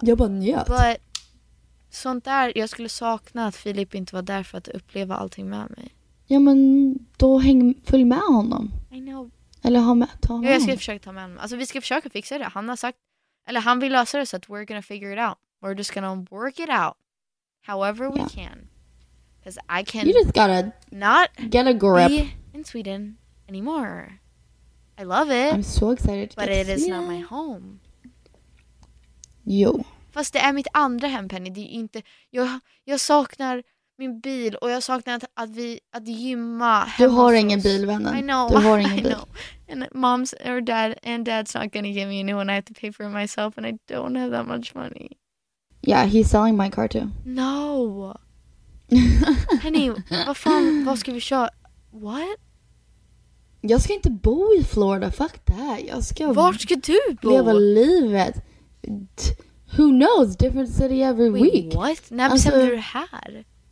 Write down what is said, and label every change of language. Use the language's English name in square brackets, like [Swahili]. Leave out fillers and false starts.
[Swedish] jag bara njöt. But, sånt där, jag skulle sakna att Filip inte var där för att uppleva allting med mig. Ja, men då följ med honom. [English] I know. [Swedish] Eller ta med honom. Jag ska försöka ta med honom. Alltså, vi ska försöka fixa det. Han har sagt, eller han vill lösa det så att [English] we're gonna figure it out. We're just gonna work it out however we can. Because I can't. You just gotta not get a grip be in Sweden anymore. I love it. I'm so excited. But it is not my home. [Swedish] Jo. Fast det är mitt andra hem, Penny. Det är inte. Jag saknar min bil och jag saknar att gymma. Du har ingen bil, vännen. [English] I know. [Swedish] Du har ingen bil. [English] And mom's or dad and dad's not gonna give me a new one. I have to pay for it myself and I don't have that much money. Yeah, he's selling my car too. No. [Swedish] Penny, vad fan, vad ska vi köra? [English] What? [Swedish] Jag ska inte bo i Florida, [English] fuck that. [Swedish] Jag ska. Vart ska du bo? Leva livet. [English] Who knows, different city every week. What? [Swedish] När bestämmer du det här?